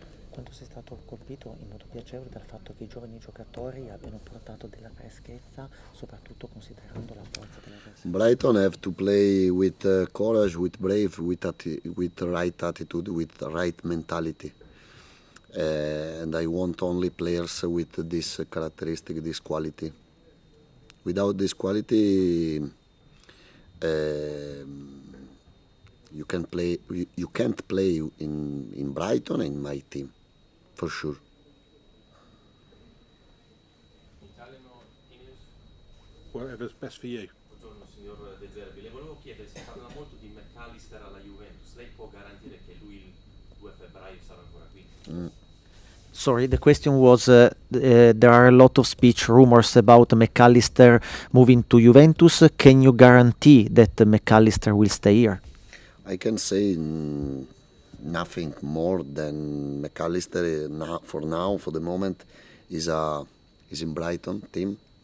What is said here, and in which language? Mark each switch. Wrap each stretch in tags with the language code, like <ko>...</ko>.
<it>Quanto sei stato colpito in modo piacevole dal fatto che i giovani giocatori abbiano portato della freschezza, soprattutto considerando la forza della persona?</it> <en>Brighton have to play with courage, with brave, with right attitude, with right mentality. And I want only players with this characteristic, this quality. Without this quality, you can't play in Brighton in my team, for sure. Italian or English? Whatever's best for you.</en> <it>Buongiorno, signor De Zerbi. Le volevo chiedere, si parla molto di McAllister alla Juventus. Lei può garantire che lui il 2 febbraio sarà ancora qui?</it> <en>Sorry, the question was, there are a lot of speech rumors about McAllister moving to Juventus. Can you guarantee that McAllister will stay here? I can say nothing more than McAllister for the moment is in Brighton team.</en>